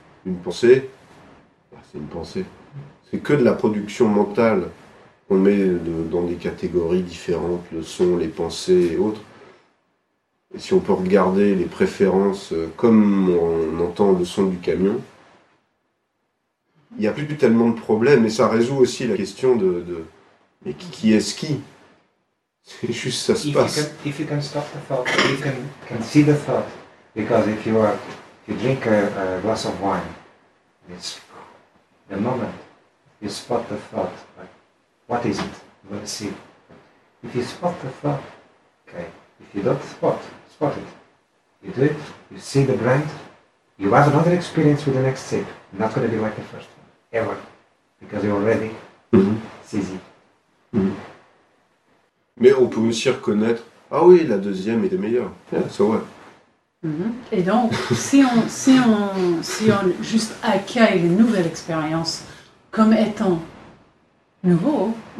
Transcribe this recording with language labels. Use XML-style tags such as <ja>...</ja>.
<fr>Une pensée, c'est une pensée. C'est que de la production mentale qu'on met dans des catégories différentes, le son, les pensées et autres. Et si on peut regarder les préférences comme on entend le son du camion, il n'y a plus tellement de problèmes, et ça résout aussi la question de mais qui est-ce qui? C'est juste ça se passe.</fr> <en>If you can stop the thought, you can see the thought. Because if you drink a glass of wine, it's the moment you spot the thought, like, what is it? We'll see. If you spot the thought, okay. If you don't spot it. You do it, you see the brand, you have another experience with the next sip. Not going to be like the first one. Ever, because you already see it.</en> <fr>Mais on peut aussi reconnaître, ah oui, la deuxième est la meilleure. C'est vrai. Et donc, si on juste accueille les nouvelles expériences comme étant nouveaux,</fr>